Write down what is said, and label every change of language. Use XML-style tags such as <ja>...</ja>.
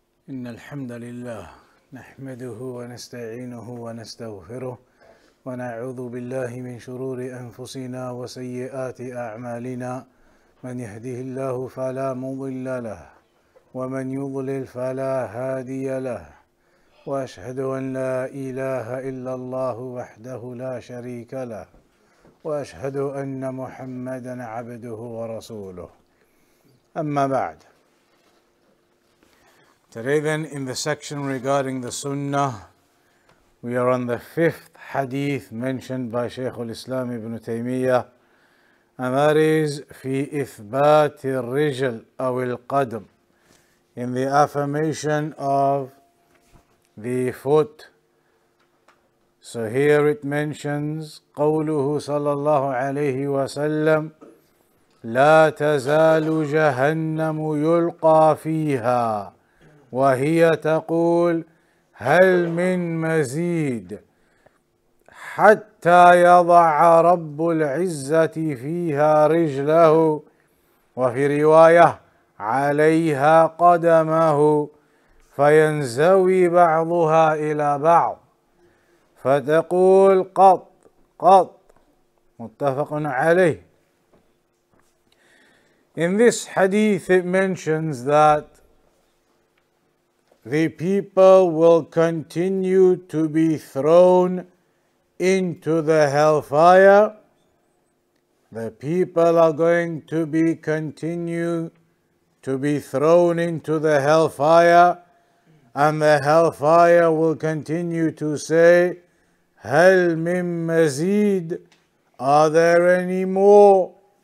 <ar>إن الحمد لله نحمده ونستعينه ونستغفره ونعوذ بالله من شرور أنفسنا وسيئات أعمالنا من يهده الله فلا مضل له ومن يضلل فلا هادي له وأشهد أن لا إله إلا الله وحده لا شريك له وأشهد أن محمدا عبده ورسوله أما بعد.</ar> <en>Today then, in the section regarding the Sunnah, we are on the fifth hadith mentioned by Shaykh al-Islam ibn Taymiyyah, and that is</en> <ar>في إثبات الرجل أو القدم,</ar> <en>in the affirmation of the foot. So here it mentions</en> <ar>قوله صلى الله عليه وسلم لا تزال جهنم يلقى فيها وهي تقول هل من مزيد حتى يضع رب العزة فيها رجله وفي رواية عليها قدمه فينزوي بعضها إلى بعض فتقول قط قط. متفق عليه.</ar> <en>In this hadith it mentions that the people will continue to be thrown into the hellfire. The people are going to be continue to be thrown into the hellfire, and the hellfire will continue to say,</en> <ar>هَلْ مِمْ مَزِيد,</ar> <en>are there any more?</en>